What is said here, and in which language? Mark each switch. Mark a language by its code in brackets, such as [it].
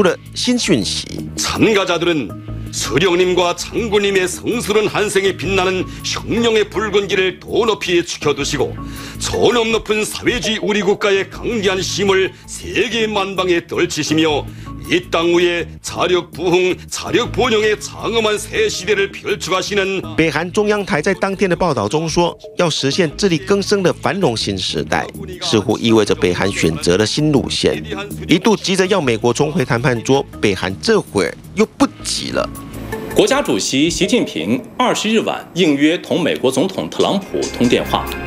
[zh] 中俄的提案意在安抚北韩，避免半岛回到2017年的战争边缘。目前尚不知决议草案何时表决，但安理会里的西方阵营不置可否，态度暧昧。而17号是北韩领导人金正日逝世8周年，大批平壤市民冒雨前往万寿台献花。金正恩也前往锦绣山太阳宫参谒。在这特殊的日子，北韩释出了新讯息。参加者들은 [ko] 서령님과 장군님의 성스러운 한생의 빛나는 혁명의 붉은 길을 더 높이 지켜두시고 존엄 높은 사회주의 우리 국가의 강기한 힘을 세계 만방에 떨치시며 이 땅 위에 자력 부흥, 자력 번영의 장엄한 새 시대를 펼쳐가시는 [zh] 北韩中央台在当天的报道中说，要实现自力更生的繁荣新时代，似乎意味着北韩选择了新路线。一度急着要美国重回谈判桌，北韩这会儿又不急了。国家主席习近平20日晚应约同美国总统特朗普通电话，